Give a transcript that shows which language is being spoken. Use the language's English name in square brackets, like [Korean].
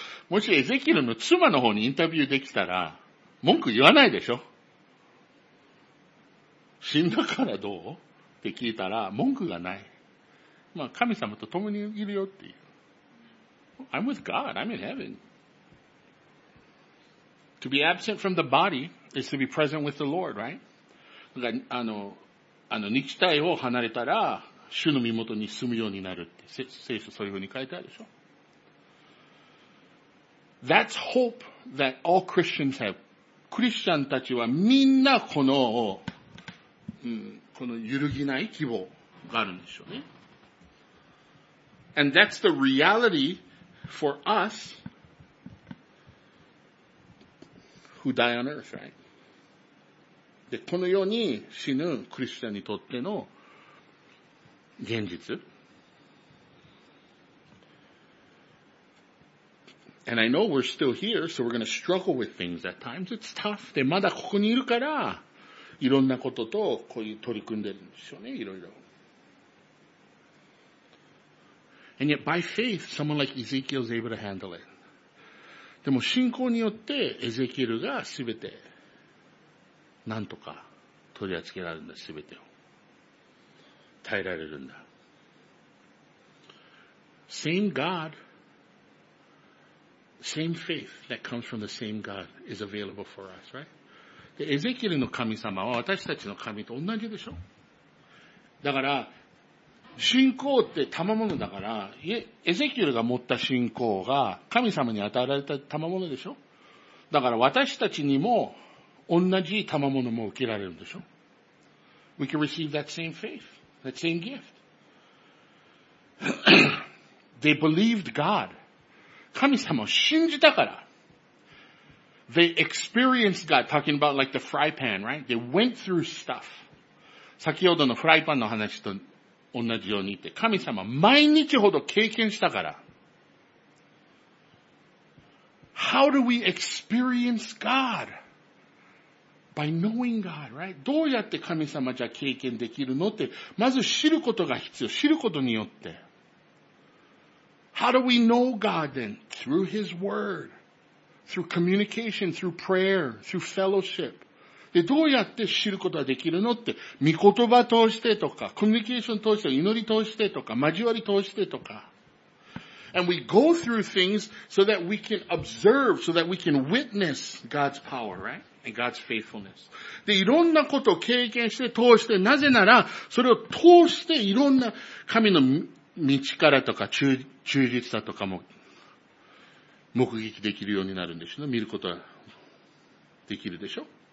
[Japanese] もしエゼキエルの妻の方にインタビューできたら、文句言わないでしょ? 死んだからどう?って聞いたら文句がない。まあ神様と共にいるよっていう。 [English] I'm with God. I'm in heaven. To be absent from the body is to be present with the Lord, right? [Japanese] だから、肉体を離れたら主の身元に住むようになるって聖書そういうふうに書いてあるでしょ。 [English] That's hope that all Christians have. [Japanese] クリスチャンたちはみんなこの、うん、この揺るぎない希望があるんでしょうね。 [English] And that's the reality for us who die on earth, right? [Japanese] で、この世に死ぬクリスチャンにとっての現実。 [English] And I know we're still here, so we're going to struggle with things at times. It's tough. [Japanese] で、まだここにいるから、いろんなこととこういう取り組んでるんですよね、いろいろ。 [English] And yet by faith, someone like Ezekiel is able to handle it. [Japanese] でも信仰によってエゼキエルがすべてなんとか取り扱えられるんだ、すべてを耐えられるんだ。 [English] Same God, same faith that comes from the same God is available for us, right? [Japanese] で、エゼキエルの神様は私たちの神と同じでしょ? だから、信仰って賜物だから、エゼキエルが持った信仰が神様に与えられた賜物でしょ? だから私たちにも同じ賜物も受けられるんでしょ? [English] We can receive that same faith, that same gift. They believed God. [Japanese] 神様を信じたから。 [English] They experienced God, talking about like the fry pan, right? They went through stuff. [Japanese] 先ほどのフライパンの話と同じように言って、神様毎日ほど経験したから。 [English] How do we experience God? By knowing God, right? [Japanese] どうやって神様じゃ経験できるのって、まず知ることが必要。知ることによって。 [English] How do we know God then? Through His Word. Through communication, through prayer, through fellowship. [Japanese] で、どうやって知ることができるのって、御言葉通してとか、コミュニケーション通して、祈り通してとか、交わり通してとか。 [English] And we go through things so that we can observe, so that we can witness God's power, right? And God's faithfulness. [Japanese] で、いろんなことを経験して通して、なぜなら、それを通していろんな神の道からとか、忠実さとかも、目撃できるようになるんでしょ? 見ることはできるでしょ?